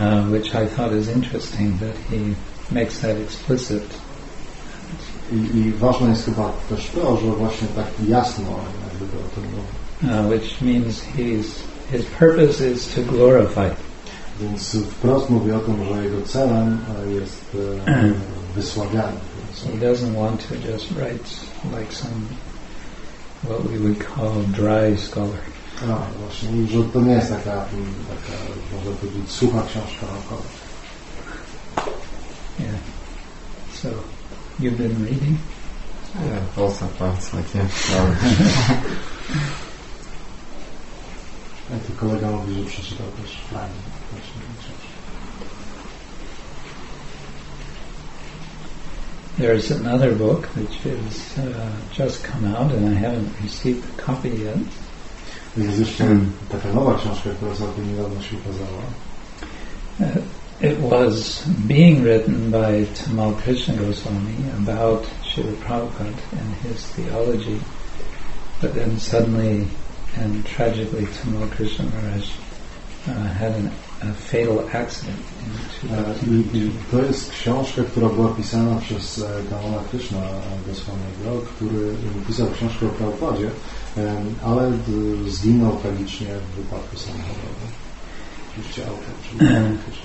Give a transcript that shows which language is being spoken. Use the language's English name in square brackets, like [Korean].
[English] Which I thought is interesting that he makes that explicit. [Polish] I ważne jest chyba też to, że właśnie tak jasno jakby o tym mówi. [English] Which means his purpose is to glorify. [Polish] Więc wprost mówi o tym, że jego celem jest wysławianie. [English] He doesn't want to just write like some what we would call dry scholar. [Polish] No, właśnie, że to nie jest taka można powiedzieć, sucha książka naukowa. [English] Yeah. So, you've been reading? Yeah, also parts, like, yeah. I think I'm going to read it as there's another book which has just come out and I haven't received the copy yet. There's just another book which has just come out and I haven't received the copy yet. It was being written by Tamal Krishna Goswami about Srila Prabhupada and his theology, but then suddenly and tragically Tamal Krishna Maharaj had a fatal accident in 2002. [Polish] To jest książka, która była pisana przez Tamala Krishna Goswamiego, który pisał książkę o Prabhupadzie, ale zginął tragicznie w wypadku samochodowym.